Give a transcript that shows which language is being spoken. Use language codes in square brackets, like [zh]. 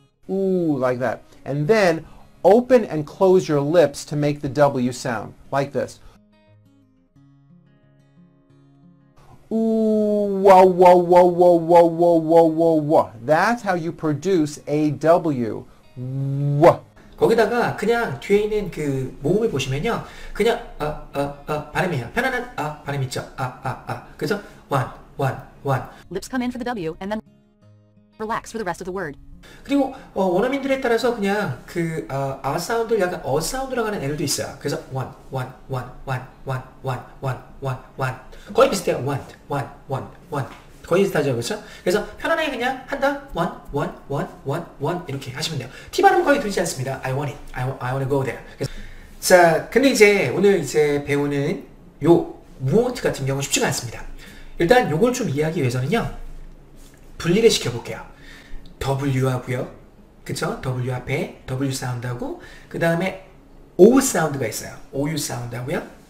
[en] Ooh, like that. And then open and close your lips to make the W sound, like this. Ooh, wah, wah, wah, wah, wah, wah, wah, wah, wah. That's how you produce a W. Wah. [ko] 거기다가 그냥 뒤에 있는 그 모음을 보시면요. 그냥 발음이에요. 편안한 발음 있죠. 그죠? [en] One, one, one. Lips come in for the W and then relax for the rest of the word. [ko] 그리고 원어민들에 따라서 그냥 그 아 사운드를 약간 어 사운드로 가는 애들도 있어요. [en] 그래서 one, one, one, one, one, one, one, one, one. [ko] 거의 비슷해요. [en] One, one, one, one. [ko] 거의 비슷하죠, 그렇죠? 그래서 편안하게 그냥 한다. [en] One, one, one, one, one [ko] 이렇게 하시면 돼요. T 발음 거의 들지 않습니다. [en] I want it. I want to go there. [ko] 그래서 자, 근데 이제 오늘 이제 배우는 요 want 같은 경우 쉽지가 않습니다. 일단 요걸 좀 이해하기 위해서는요, 분리를 시켜볼게요. W 하고요, 그렇죠? W 앞에 W 사운드하고, 그 다음에 O 사운드가 있어요. O U 사운드하고요.